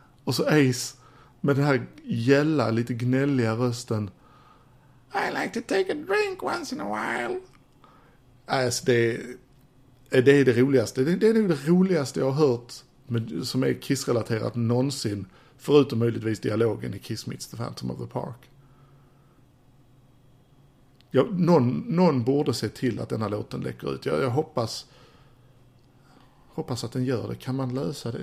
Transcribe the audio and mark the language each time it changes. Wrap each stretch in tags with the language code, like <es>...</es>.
<sv>Och så Ace med den här gälla, lite gnälliga rösten.</sv> <en>I like to take a drink once in a while.</en> <sv>Alltså det är det roligaste. Det är nog det roligaste jag har hört som är Kiss-relaterat någonsin. Förutom möjligtvis dialogen i Kiss Meets the Phantom of the Park. Någon borde se till att denna låten läcker ut. Jag hoppas att den gör det. Kan man lösa det?</sv>